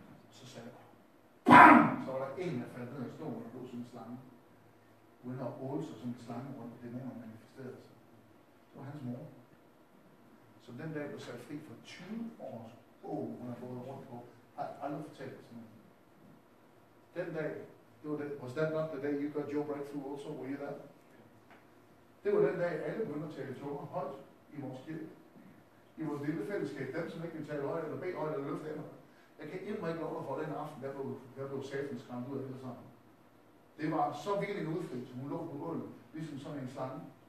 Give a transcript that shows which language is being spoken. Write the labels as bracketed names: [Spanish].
[Danish] Så sagde jeg. BAM! Så var der en, der faldt ned i stolen og blev som en slange. Uden at åle sig som en slange rundt, det nævner manifesterede sig. Det var hans mor. Så den dag blev sat fri for 20 års åg, hun har fået rundt på, har aldrig fortalt det til mig. Den dag, det var det, [English] was that not the day you got your breakthrough also, were you that? [Danish] Det var den dag, alle begyndte at tale tunger højt i vores kirke. I vores lille fællesskab, dem som ikke kan tale højt eller bede højt eller løfte hænder. Jeg kan ikke mig lov at få den aften, der blev satan skræmt ud af det sammen. Det var så vildt en udfrit, som hun lå på gulvet, ligesom sådan en slange.